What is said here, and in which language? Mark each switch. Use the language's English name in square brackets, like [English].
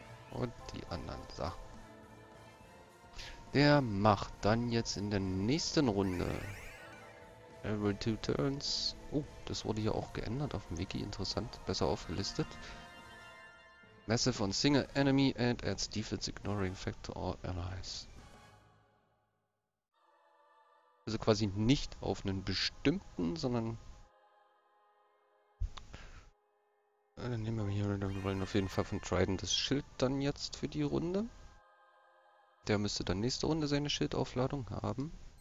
[German] Und die anderen Sachen. Der macht dann jetzt in der nächsten Runde. [English] Every two turns. [German] Oh, das wurde hier auch geändert auf dem Wiki. Interessant. Besser aufgelistet. [English] Massive on single enemy and adds defense ignoring factor to all allies. [German] Also quasi nicht auf einen bestimmten, sondern. Dann nehmen wir hier, wir wollen auf jeden Fall von Trident das Schild dann jetzt für die Runde. Der müsste dann nächste Runde seine Schildaufladung haben.